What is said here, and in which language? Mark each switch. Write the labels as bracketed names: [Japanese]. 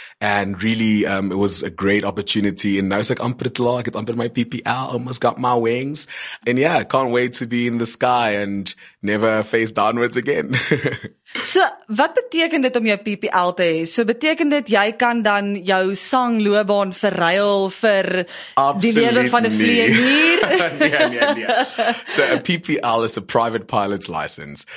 [English] And really, it was a great opportunity and [Afrikaans] nou is ek amper klaar, ek het amper my PPL, [English] almost got my wings. And yeah, can't wait to be in the sky and never face downwards again. [Afrikaans] So, wat beteken dit om jou PPL te hê? So, beteken dit jy kan dan jou sangloopbaan verruil vir die lewe van 'n vlieger? [English] nee. So a PPL is a private pilot's license.